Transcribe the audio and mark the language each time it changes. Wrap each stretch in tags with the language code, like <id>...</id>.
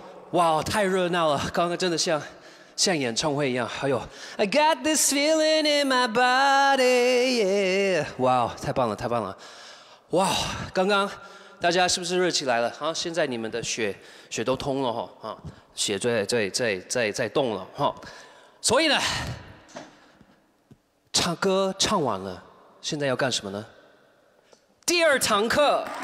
<zh>Wow, 太热闹了，刚刚真的像像演唱会一样，哎呦</zh> <en>I got this feeling in my body, yeah.</en> <zh>Wow, 太棒了，太棒了。Wow, 刚刚大家是不是热起来了？现在你们的血都通了，血在动了。所以呢，唱歌唱完了，现在要干什么呢？第二堂课。</zh>